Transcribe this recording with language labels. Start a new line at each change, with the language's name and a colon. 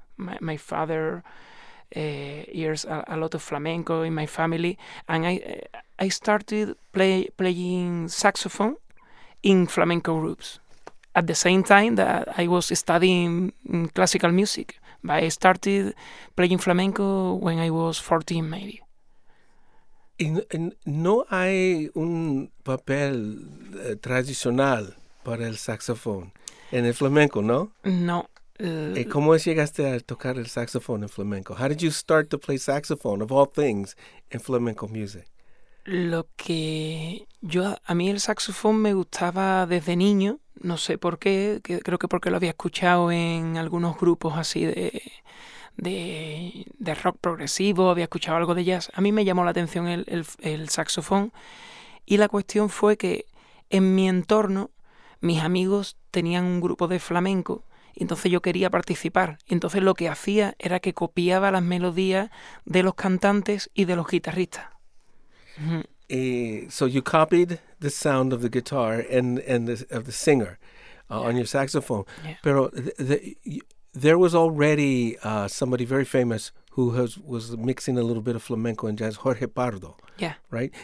English: my father hears a lot of flamenco in my family, and I started playing saxophone in flamenco groups at the same time that I was studying classical music. But I started playing flamenco when I was 14, maybe.
Spanish: ¿No hay un papel tradicional para el saxofón en el flamenco, no? No. ¿Cómo llegaste a tocar el saxofón en flamenco?
English: How did you start to play saxophone, of all things, in flamenco music?
Spanish: Lo que yo, a mí el saxofón me gustaba desde niño, no sé por qué, creo que porque lo había escuchado en algunos grupos así de rock progresivo, había escuchado algo de jazz. A mí me llamó la atención el saxofón, y la cuestión fue que en mi entorno mis amigos tenían un grupo de flamenco, y entonces yo quería participar. Y entonces lo que hacía era que copiaba las melodías de los cantantes y de los guitarristas.
English: So you copied the sound of the guitar and of the singer on your saxophone. Yeah.
Spanish: Pero
English: there was already somebody very famous who was mixing a little bit of flamenco and jazz, Jorge Pardo. Yeah. Right?